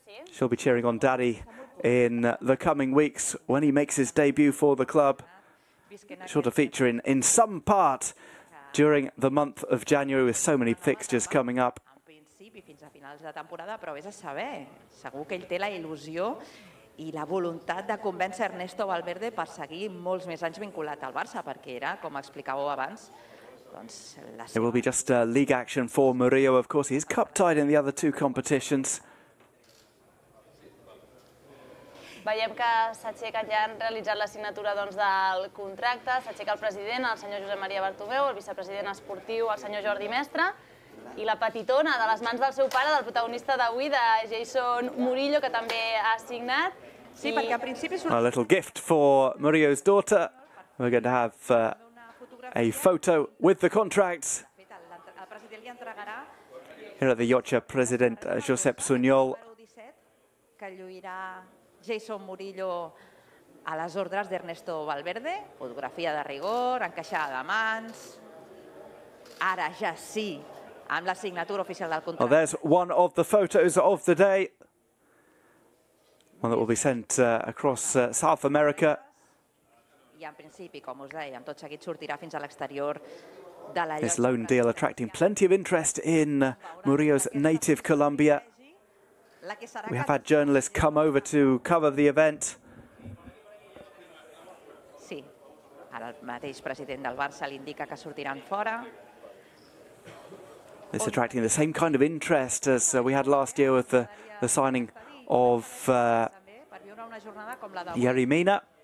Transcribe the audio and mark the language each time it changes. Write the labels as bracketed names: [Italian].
[English] She'll be cheering on daddy in the coming weeks when he makes his debut for the club. Sure to feature in some part during the month of January with so many fixtures coming up. [Catalan] Fins a finals de temporada, però vés a saber, segur que ell té la il·lusió i la voluntat de convèncer Ernesto Valverde per seguir molts més anys vinculat al Barça, perquè era, com explicàveu abans, doncs... [English] It will be just a league action for Murillo, of course. He's cup tied in the other two competitions. [Catalan] Veiem que s'aixeca, ja han realitzat la signatura doncs, del contracte, s'aixeca el president, el senyor Josep Maria Bartomeu, el vicepresident esportiu, el senyor Jordi Mestre, i la petitona de les mans del seu pare, del protagonista d'avui, de Jason Murillo, que també ha signat. Sí, perquè al principi... [English] A little gift for Murillo's daughter. We're going to have a photo with the contract. [Catalan] El president li entregarà... [English] Here at the Yotxa, president Josep Sunyol. [Catalan] ...que lluirà Jason Murillo a les ordres d'Ernesto Valverde. Fotografia de rigor, encaixada de mans. Ara ja sí... amb la signatura oficial del contracte. [English] Well, there's one of the photos of the day. One that will be sent across South America. [Catalan] I en principi, com us deia, tot seguit sortirà fins a l'exterior de la... [English] This loan deal attracting plenty of interest in Murillo's native Colombia. We have had journalists come over to cover the event. [Catalan] Sí, ara el mateix president del Barça li indica que sortiran fora. [English] It's attracting the same kind of interest as we had last year with the signing of Yerry Mina.